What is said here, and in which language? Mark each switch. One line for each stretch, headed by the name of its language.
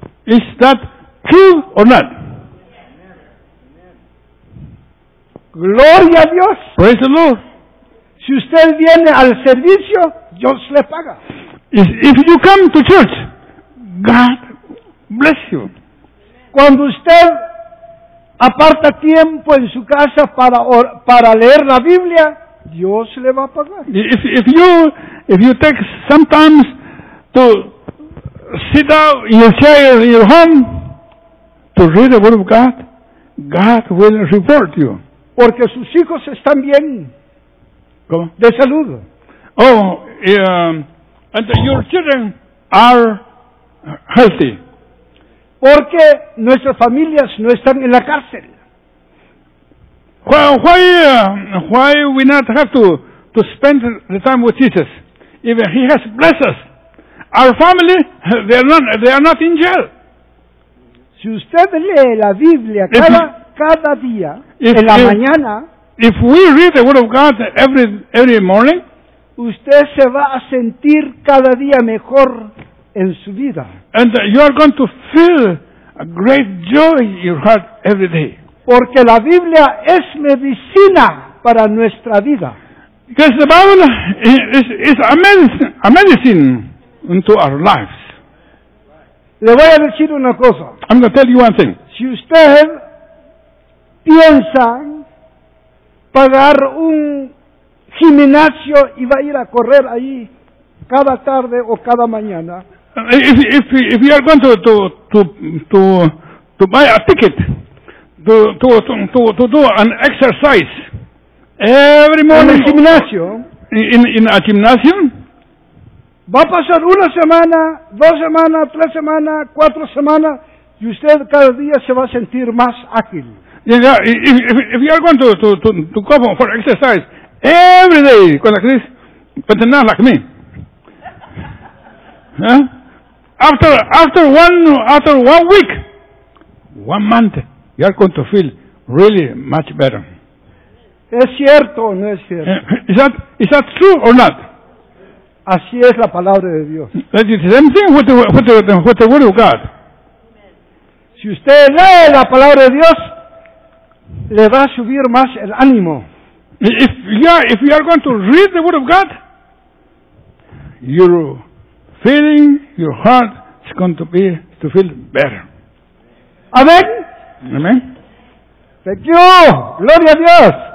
English: Is that true or not?
Spanish: Gloria a Dios.
English: Praise the Lord.
Spanish: Si usted viene al servicio, Dios le paga.
English: If you come to church, God bless you.
Spanish: Cuando usted aparta tiempo en su casa para leer la Biblia, Dios le va a pagar.
English: If you take some time to sit out in your chair in your home to read the Word of God, God will reward you.
Spanish: Porque sus hijos están bien. ¿Cómo? De salud.
English: And your children are healthy.
Spanish: Porque nuestras familias no están en la cárcel.
English: Why we not have to spend the time with Jesus? If he has blessed us, our family, they are not in jail.
Spanish: Si usted lee la Biblia cada día, en la mañana,
English: if we read the Word of God every morning,
Spanish: usted se va a sentir cada día mejor en su vida.
English: And you are going to feel a great joy in your heart every day.
Spanish: Porque la Biblia es medicina para nuestra vida.
English: Because the Bible is a medicine into our lives.
Spanish: Le voy a decir una cosa.
English: I'm going to tell you one thing.
Spanish: Si usted piensa pagar un gimnasio y va a ir a correr ahí cada tarde o cada mañana,
English: if you are going to buy a ticket to do an exercise every morning
Spanish: en el gimnasio,
English: in a gymnasium,
Spanish: va a pasar una semana, dos semanas, tres semanas, cuatro semanas, y usted cada día se va a sentir más ágil.
English: Yeah, if you are going to go for exercise Every day, cuando Chris, but not like me. Huh? After one week, 1 month, you're going to feel really much better.
Spanish: ¿Es cierto o no es cierto?
English: Is that true or not?
Spanish: Así es la palabra de Dios.
English: That is the same thing with the word of God.
Spanish: Si usted lee la palabra de Dios, le va a subir más el ánimo.
English: If you are going to read the word of God, your feeling, your heart is going to feel better.
Spanish: Amén. Amén.
English: Thank you.
Spanish: Gloria a Dios.